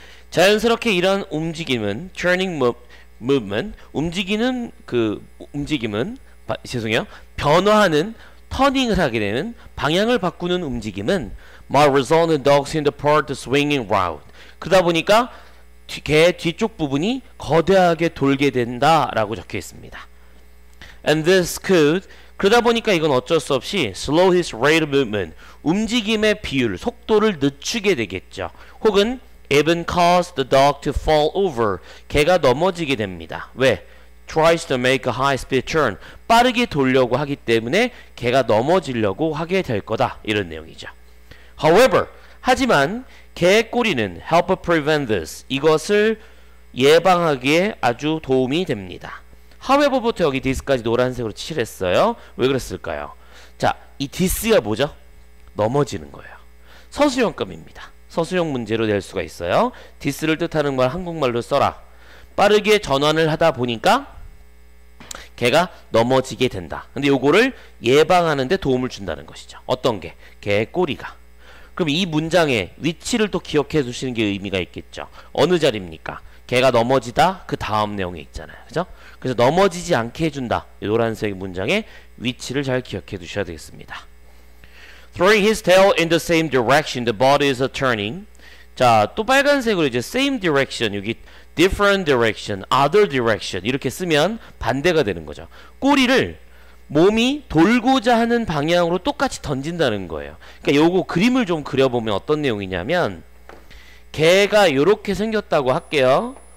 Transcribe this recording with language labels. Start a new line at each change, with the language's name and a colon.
Korean: 자연스럽게 이런 움직임은
English: turning movement,
Korean: 움직이는 그 움직임은 죄송해요, 변화하는 turning을 하게 되는 방향을 바꾸는 움직임은
English: my result in dogs in the part swinging round,
Korean: 그러다 보니까 개의 뒤쪽 부분이 거대하게 돌게 된다 라고 적혀 있습니다.
English: And this could,
Korean: 그러다 보니까 이건 어쩔 수 없이
English: slow his rate of movement,
Korean: 움직임의 비율, 속도를 늦추게 되겠죠. 혹은
English: even cause the dog to fall over,
Korean: 개가 넘어지게 됩니다. 왜?
English: tries to make a high speed turn,
Korean: 빠르게 돌려고 하기 때문에 개가 넘어지려고 하게 될 거다 이런 내용이죠.
English: However,
Korean: 하지만 개의 꼬리는
English: help prevent this,
Korean: 이것을 예방하기에 아주 도움이 됩니다. However부터 여기 this까지 노란색으로 칠했어요. 왜 그랬을까요? 자, 이 this가 뭐죠? 넘어지는 거예요. 서술형감입니다. 서술형 문제로 낼 수가 있어요. this를 뜻하는 걸 한국말로 써라. 빠르게 전환을 하다 보니까 개가 넘어지게 된다. 근데 요거를 예방하는 데 도움을 준다는 것이죠. 어떤 게? 개의 꼬리가. 그럼 이 문장의 위치를 또 기억해 주시는 게 의미가 있겠죠. 어느 자리입니까? 개가 넘어지다 그 다음 내용에 있잖아요. 그죠? 그래서 넘어지지 않게 해준다, 이 노란색 문장의 위치를 잘 기억해 두셔야 되겠습니다.
English: Throwing his tail in the same direction, the body is turning.
Korean: 자, 또 빨간색으로 이제
English: same direction,
Korean: 여기
English: different direction, other direction
Korean: 이렇게 쓰면 반대가 되는 거죠. 꼬리를 몸이 돌고자 하는 방향으로 똑같이 던진다는 거예요. 그러니까 요거 그림을 좀 그려보면 어떤 내용이냐면 개가 요렇게 생겼다고 할게요.